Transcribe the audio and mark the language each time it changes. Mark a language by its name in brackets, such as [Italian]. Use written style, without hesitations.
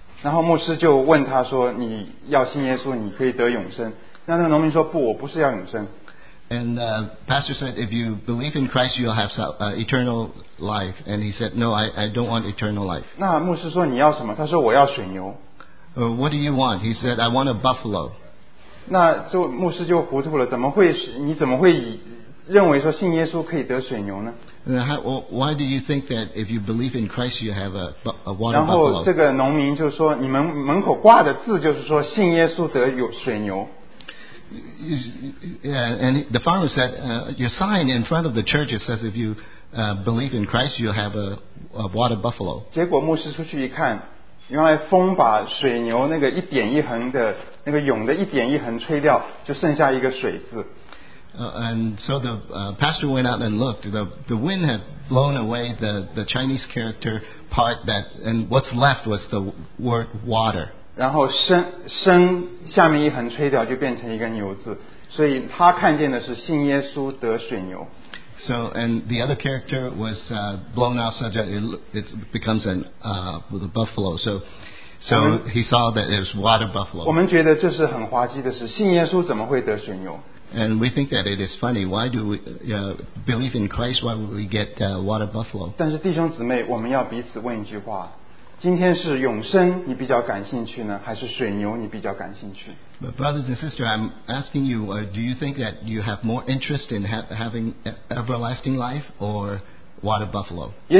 [Chinese] 然后牧师就问他说：“你要信耶稣，你可以得永生。” 那那个农民说：“不，我不是要永生。 [English] ”And the pastor said, "If you believe in Christ, you'll have eternal life." And he said, "No, I don't want eternal life." [Chinese] 那牧师说：“你要什么？”他说：“我要水牛。” [English] What do you want? He said, "I want a buffalo." [Chinese] 那这牧师就糊涂了，怎么会？你怎么会认为说信耶稣可以得水牛呢？ [English] Why do you think that if you believe in Christ, you have a water buffalo? [Chinese] 然后这个农民就说，你们门口挂的字就是说信耶稣得有水牛。 [English] Yeah, and the farmer said, "Your sign in front of the church says if you believe in Christ, you have a water buffalo." [Chinese] 结果牧师出去一看。原来风把水牛那个一点一横的那个涌的一点一横吹掉，就剩下一个水字。 [English] And so the pastor went out and looked. The wind had blown away the Chinese character part that, and what's left was the word water. [Chinese] 然后生下面一横吹掉，就变成一个牛字。所以他看见的是信耶稣得水牛。 [English] So, and the other character was blown off such that it becomes an the buffalo. So he saw that it was water buffalo. [Chinese] 我们觉得这是很滑稽的事，信耶稣怎么会得水牛？ [English] And we think that it is funny. Why do we believe in Christ? Why would we get water buffalo? [Chinese] 但是弟兄姊妹，我们要彼此问一句话。今天是永生你比较感兴趣呢，还是水牛你比较感兴趣？ [English] But brothers and sisters, I'm asking you, do you think that you have more interest in having everlasting life or water buffalo?